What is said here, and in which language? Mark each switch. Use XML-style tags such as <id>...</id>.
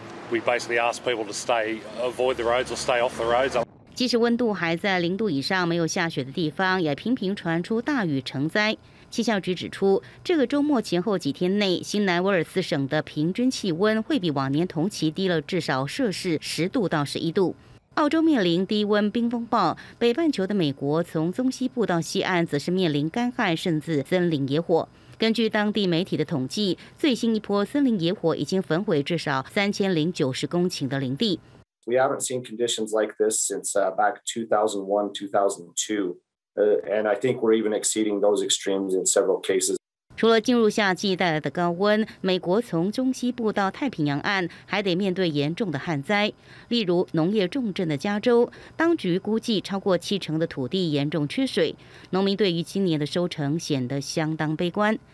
<en>We basically ask people to avoid the roads or stay off the roads.</en> <zh>即使温度还在0度以上，没有下雪的地方也频频传出大雨成灾。气象局指出，这个周末前后几天内，新南威尔斯省的平均气温会比往年同期低了至少摄氏10度到11度。澳洲面临低温冰风暴，北半球的美国从中西部到西岸则是面临干旱甚至森林野火。根据当地媒体的统计，最新一波森林野火已经焚毁至少3090公顷的林地。</zh> <en>We haven't seen conditions like this since back 2001, 2002, and I think we're even exceeding those extremes in several cases.</en> <zh>除了进入夏季带来的高温，美国从中西部到太平洋岸还得面对严重的旱灾。例如农业重镇的加州，当局估计超过70%的土地严重缺水，农民对于今年的收成显得相当悲观。</zh>